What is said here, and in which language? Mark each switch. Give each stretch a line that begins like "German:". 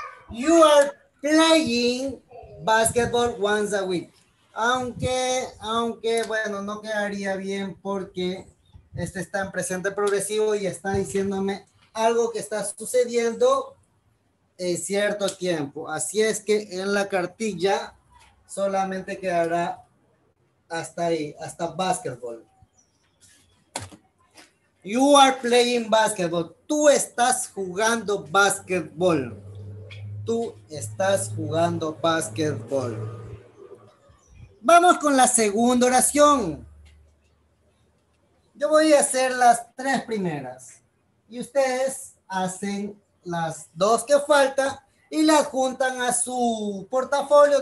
English: You are playing basketball once a week.
Spanish: Aunque, bueno, no quedaría bien porque este está en presente progresivo y está diciéndome algo que está sucediendo en cierto tiempo. Así es que en la cartilla solamente quedará hasta ahí, hasta basketball.
English: You are playing basketball.
Spanish: Tú estás jugando basketball. Tú estás jugando basketball. Vamos con la segunda oración. Yo voy a hacer las tres primeras. Y ustedes hacen las dos que faltan y las juntan a su portafolio.